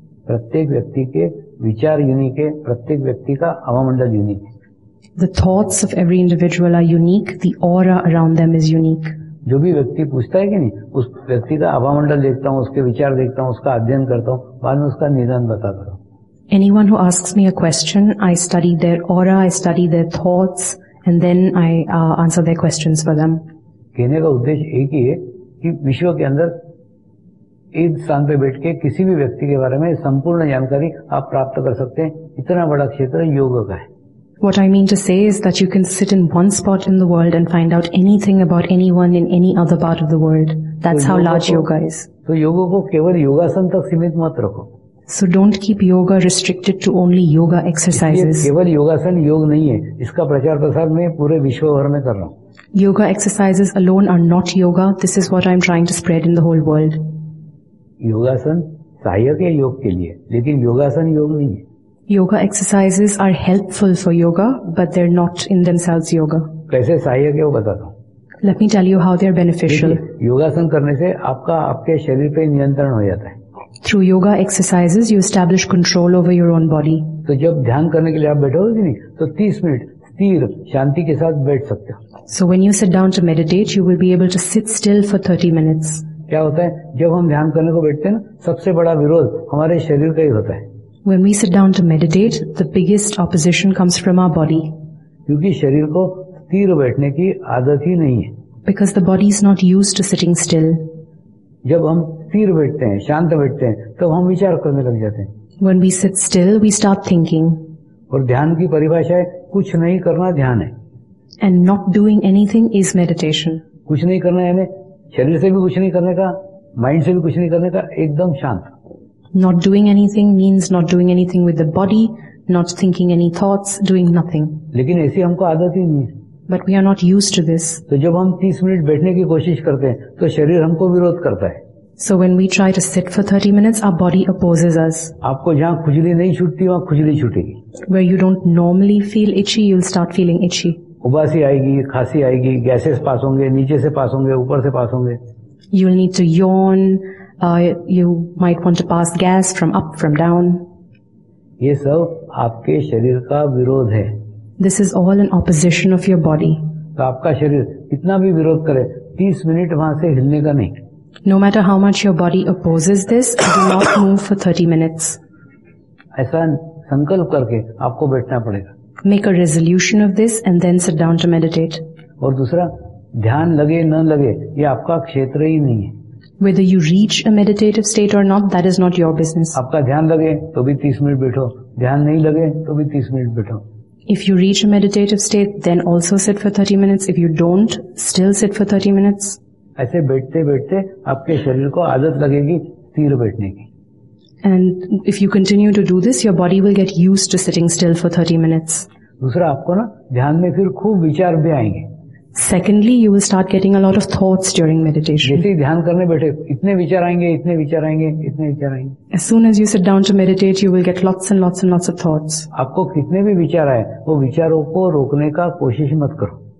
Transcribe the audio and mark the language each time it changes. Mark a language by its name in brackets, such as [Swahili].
[Hindi] प्रत्येक व्यक्ति के विचार यूनिक है, प्रत्येक व्यक्ति का हवामंडल यूनिक है. [English] The thoughts of every individual are unique, the aura around them is unique. [Hindi] जो भी व्यक्ति पूछता है कि नहीं, उस व्यक्ति का हवामंडल देखता हूँ, उसके विचार देखता हूँ, उसका अध्ययन करता हूँ, बाद में उसका निदान बता करता हूँ. [English] Anyone who asks me a question, I study their aura, I study their thoughts, and then I answer their questions for them. [Hindi] कहने का उद्देश्य एक ही है कि विश्व के अंदर एक स्थान पे बैठ के किसी भी व्यक्ति के बारे में संपूर्ण जानकारी आप प्राप्त कर सकते हैं, इतना बड़ा क्षेत्र योग का है. [English] What I mean to say is that you can sit in one spot in the world and find out anything about anyone in any other part of the world. That's how large yoga is. [Hindi] तो योग को केवल योगासन तक सीमित मत रखो. [English] So don't keep yoga restricted to only yoga exercises. [Hindi] केवल योगासन योग नहीं है, इसका प्रचार प्रसार मैं पूरे विश्व भर में कर रहा हूँ. [English] Yoga exercises alone are not yoga. This is what I'm trying to spread in the whole world. [Hindi] योगासन सहायक है योग के लिए, लेकिन योगासन योग नहीं है. [English] Yoga exercises are helpful for yoga, but they're not in themselves yoga. [Hindi] कैसे सहायक है वो बताता हूँ. [English] Let me tell you how they are beneficial. [Hindi] योगासन करने से आपका आपके शरीर पे नियंत्रण हो जाता है. [English] Through yoga exercises you establish control over your own body. [Hindi] तो जब ध्यान करने के लिए आप बैठे हो नहीं, तो 30 मिनट स्थिर शांति के साथ बैठ सकते हो. [English] So when you sit down to meditate, you will be able to sit still for 30 minutes. [Hindi] क्या होता है जब हम ध्यान करने को बैठते हैं ना, सबसे बड़ा विरोध हमारे शरीर का ही होता है. [English] When we sit down to meditate, the biggest opposition comes from our body. [Hindi] क्योंकि शरीर को स्थिर बैठने की आदत ही नहीं है. [English] Because the body is not use to sitting still. [Hindi] जब हम स्थिर बैठते हैं, शांत बैठते हैं, तब हम विचार करने लग जाते हैं. [English] When we sit still, we start thinking. [Hindi] और ध्यान की परिभाषा है, कुछ नहीं करना ध्यान है. [English] And not doing anything is meditation. [Hindi] कुछ नहीं करना यानी शरीर से भी कुछ नहीं करने का, माइंड से भी कुछ नहीं करने का, एकदम शांत. [English] Not doing anything means not doing anything with the body, not thinking any thoughts, doing nothing. [Hindi] लेकिन ऐसी हमको आदत ही नहीं. [English] But we are not used to this. [Hindi] तो जब हम 30 मिनट बैठने की कोशिश करते हैं तो शरीर हमको विरोध करता है. [English] So when we try to sit for 30 minutes, our body opposes us. [Hindi] आपको जहाँ खुजली नहीं छूटती वहाँ खुजली छूटेगी. [English] Where you don't normally feel itchy, you'll start feeling itchy. [Hindi] उबासी आएगी, खांसी आएगी, गैसेस पास होंगे, नीचे से पास होंगे, ऊपर से पास होंगे. [English] You'll need to yawn. You might want to pass gas from up, from down. [Hindi] ये सब आपके शरीर का विरोध है. [English] This is all an opposition of your body. [Hindi] तो आपका शरीर कितना भी विरोध करे, 30 मिनट वहां से हिलने का नहीं. [English] No matter how much your body opposes this, do not move for 30 minutes. [Hindi] ऐसा संकल्प करके आपको बैठना पड़ेगा. [English] Make a resolution of this and then sit down to meditate. [Hindi] और दूसरा, ध्यान लगे न लगे, ये आपका क्षेत्र ही नहीं है. [English] Whether you reach a meditative state or not, that is not your business. [Hindi] आपका ध्यान लगे तो भी 30 मिनट बैठो, ध्यान नहीं लगे तो भी 30 मिनट बैठो. [English] If you reach a meditative state, then also sit for 30 minutes. If you don't, still sit for 30 minutes. [Hindi] ऐसे बैठते बैठते आपके शरीर को आदत लगेगी स्थिर बैठने की. [English] And if you continue to do this, your body will get used to sitting still for 30 minutes. [Hindi] दूसरा, आपको ना ध्यान में फिर खूब विचार भी आएंगे. [English] Secondly, you will start getting a lot of thoughts during meditation. [Hindi] जैसे ही ध्यान करने बैठे, इतने विचार आएंगे, इतने विचार आएंगे, इतने विचार आएंगे. [English] As soon as you sit down to meditate, you will get lots and lots and lots of thoughts. [Hindi] आपको कितने भी विचार आए, वो विचारों को रोकने का कोशिश मत करो.